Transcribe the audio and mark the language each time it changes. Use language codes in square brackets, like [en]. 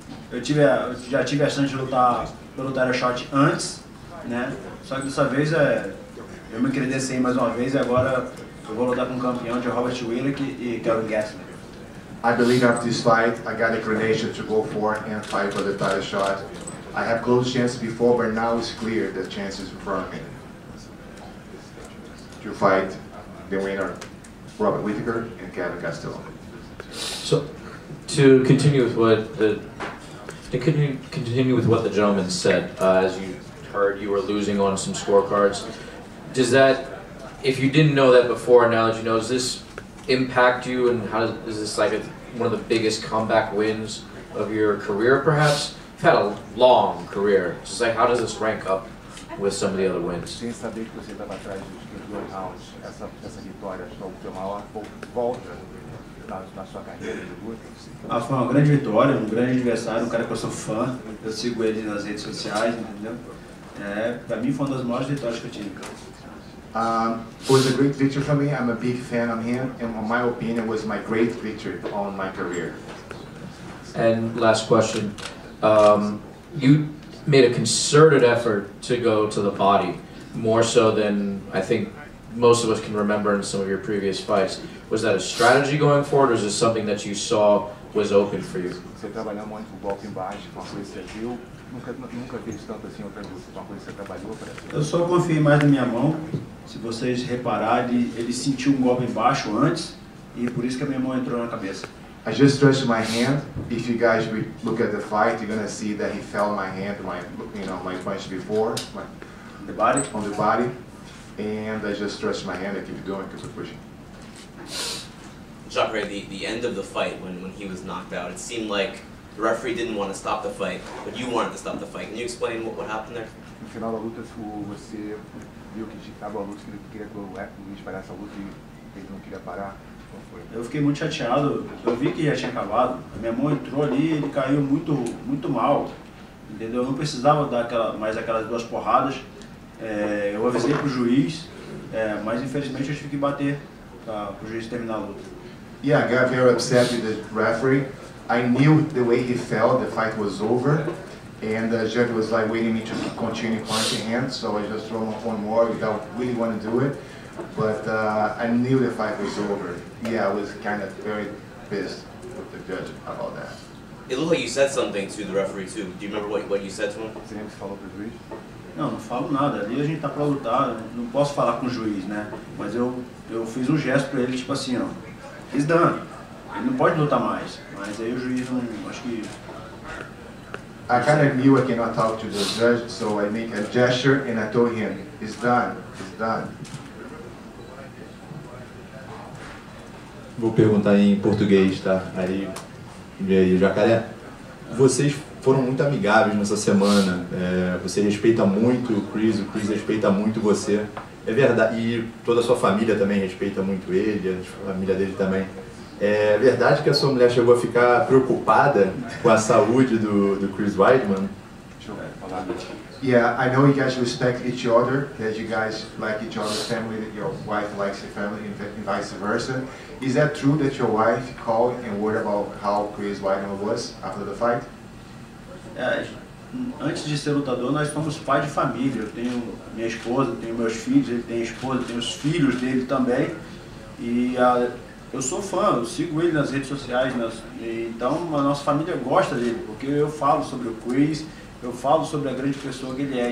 [pt] Eu já tive a chance de lutar pelo title shot antes, né? Só que dessa vez eu me credenciei mais uma vez e agora eu vou lutar com o campeão de Robert Whittaker e Kelvin Gastelum. [en] I believe after this fight, I got a credential to go for and fight for the title shot. I have close chances before, but now it's clear the chances in front of me to fight the winner, Robert Whittaker and Kelvin Gastelum. So, to continue with what the gentleman said, as you heard, you were losing on some scorecards. Does that, if you didn't know that before, now that you know, does this impact you, and how is this like one of the biggest comeback wins of your career, perhaps? You've had a long career. So, like, how does this rank up with some of the other wins? [pt] Sem saber que você estava atrás dos dois rounds, essa vitória foi a maior volta na sua carreira de luta? Foi uma grande vitória, um grande adversário, um cara que eu sou fã. Eu sigo ele nas redes sociais, entendeu? Para mim foi uma das maiores vitórias que eu tive. [en] It was a great victory for me. I'm a big fan of him, and in my opinion, it was my great victory on my career. And last question, you made a concerted effort to go to the body, more so than I think most of us can remember in some of your previous fights. Was that a strategy going forward, or is this something that you saw was open for you? [pt] Você trabalhou muito com o golpe embaixo, com a coisa que você viu. Nunca vi tanto assim outra coisa. Com a coisa que você trabalhou, parece. Eu só confiei mais na minha mão. Se vocês repararem, ele sentiu um golpe embaixo antes, e por isso que a minha mão entrou na cabeça. [en] I just stretched my hand. If you guys look at the fight, you're gonna see that he fell my hand, my punch before. The body? On the body. And I just stretched my hand and keep going because we're pushing. Jacare, the end of the fight when he was knocked out, it seemed like the referee didn't want to stop the fight, but you wanted to stop the fight. Can you explain what happened there? [pt] No final da luta, você viu que estava a luta, que ele queria que o juiz parasse a luta e ele não queria parar. Como foi? Eu fiquei muito chateado. Eu vi que já tinha acabado. A minha mão entrou ali e ele caiu muito, muito mal. Entendeu? Eu não precisava dar aquelas duas porradas. Eu avisei pro juiz, mas infelizmente eu tive que bater pro juiz terminar a luta. [en] Yeah, I got very upset with the referee. I knew the way he fell, the fight was over, and the judge was like waiting me to continue punching him, so I just threw him one more without really want to do it, but I knew the fight was over. Yeah, I was kind of very pissed with the judge about that. It looked like you said something to the referee too. Do you remember what you said to him? [pt] Você lembra que falou pro juiz? Não, não falo nada. Ali a gente tá pra lutar, não posso falar com o juiz, né? Mas eu fiz um gesto pra ele, tipo assim, ó. [en] He's done. [pt] Ele não pode lutar mais. Mas aí o juiz não, acho que... [en] I kind of knew I cannot talk to the judge, so I make a gesture and I told him, it's done, it's done. [pt] Vou perguntar em português, tá? Aí, e aí, Jacaré? Vocês foram muito amigáveis nessa semana. Você respeita muito o Chris respeita muito você. É verdade, e toda a sua família também respeita muito ele, a família dele também. É verdade que a sua mulher chegou a ficar preocupada com a saúde do Chris Weidman? Deixa eu falar, [en] Yeah, I know you guys respect each other, that you guys like each other's family, that your wife likes your family, and vice versa. Is that true that your wife called and worried about how Chris Weidman was after the fight? [pt] Antes de ser lutador, nós somos pai de família. Eu tenho minha esposa, tenho meus filhos, ele tem a esposa, tem os filhos dele também. E eu sou fã, eu sigo ele nas redes sociais. Então, a nossa família gosta dele, porque eu falo sobre o Chris, eu falo sobre a grande pessoa que ele é.